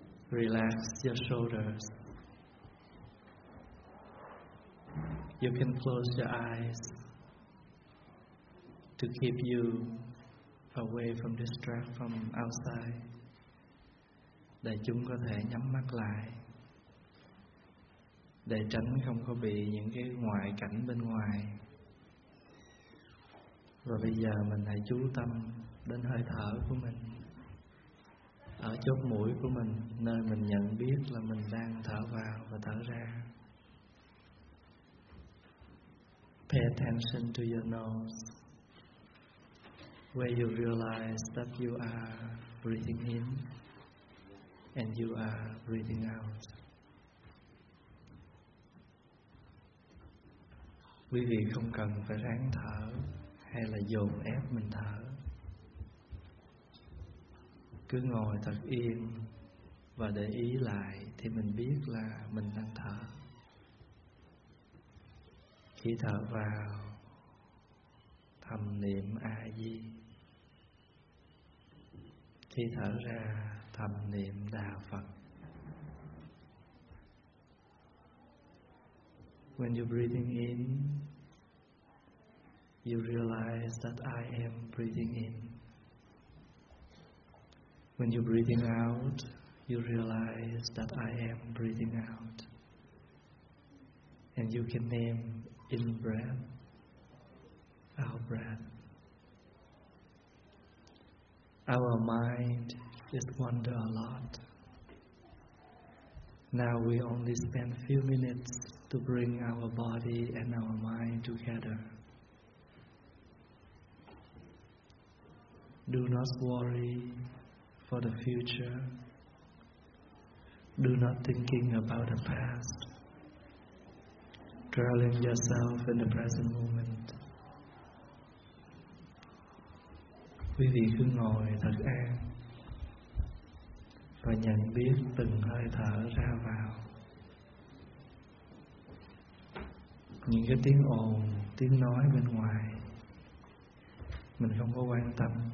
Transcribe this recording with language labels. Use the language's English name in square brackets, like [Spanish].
[English] Relax your shoulders. You can close your eyes to keep you away from distraction from outside. [Vietnamese] Để chúng có thể nhắm mắt lại. Để tránh không có bị những cái ngoại cảnh bên ngoài. Và bây giờ mình hãy chú tâm đến hơi thở của mình, ở chốt mũi của mình, nơi mình nhận biết là mình đang thở vào và thở ra. [English] Pay attention to your nose, where you realize that you are breathing in and you are breathing out. [Vietnamese] Quý vị không cần phải ráng thở hay là dồn ép mình thở. Cứ ngồi thật yên và để ý lại thì mình biết là mình đang thở. Khi thở vào, thầm niệm A-di. Khi thở ra, thầm niệm Đà Phật. [English] When you're breathing in, you realize that I am breathing in. When you're breathing out, you realize that I am breathing out. And you can name in-breath, out-breath. Our mind just wander a lot. Now we only spend a few minutes to bring our body and our mind together. Do not worry for the future. Do not thinking about the past. Dwelling yourself in the present moment. [Vietnamese] Quý vị cứ ngồi thật an và nhận biết từng hơi thở ra vào. Những cái tiếng ồn, tiếng nói bên ngoài mình không có quan tâm.